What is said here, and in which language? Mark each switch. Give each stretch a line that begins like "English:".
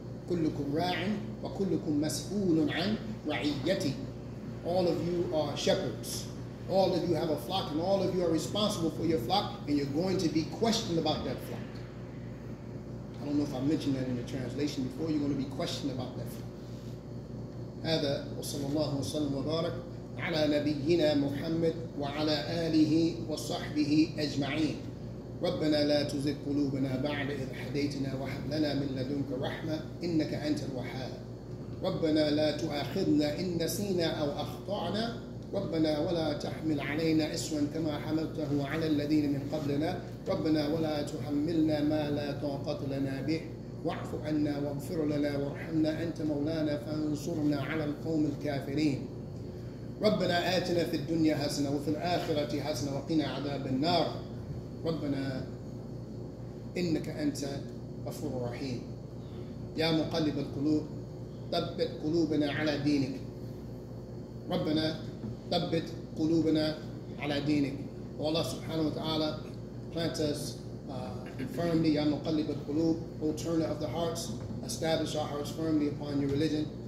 Arabic: كُلُّكُمْ رَاعٍ وَكُلُّكُمْ مَسْئُولٌ عَنْ رَعِيَّتِي.
English: All of you are shepherds. All of you have a flock, and all of you are responsible for your flock, and you're going to be questioned about that flock. I don't know if I mentioned that in the translation before. You're going to be questioned about that flock.
Arabic: هذا وصلى الله وسلم وبارك على نبينا محمد وعلى آله وصحبه أجمعين. ربنا لا تزغ قلوبنا بعد إذ هديتنا وهب لنا من لدنك رحمة إنك أنت الوهاب. ربنا لا تؤاخذنا إن نسينا أو أخطأنا. ربنا ولا تحمل علينا إصرا كما حملته على الذين من قبلنا. ربنا ولا تحملنا ما لا طاقة لنا به. واعف عنا واغفر لنا وارحمنا، أنت مولانا فانصرنا على القوم الكافرين. ربنا آتنا في الدنيا حسنة وفي الآخرة حسنة وقنا عذاب النار. ربنا إنك أنت غفور رحيم. يا مقلب القلوب، ثبت قلوبنا على دينك. ربنا ثبت قلوبنا على دينك. والله سبحانه وتعالى
English: plant us firmly.
Arabic: يا مقلب القلوب،
English: O turner of the hearts, establish our hearts firmly upon your religion.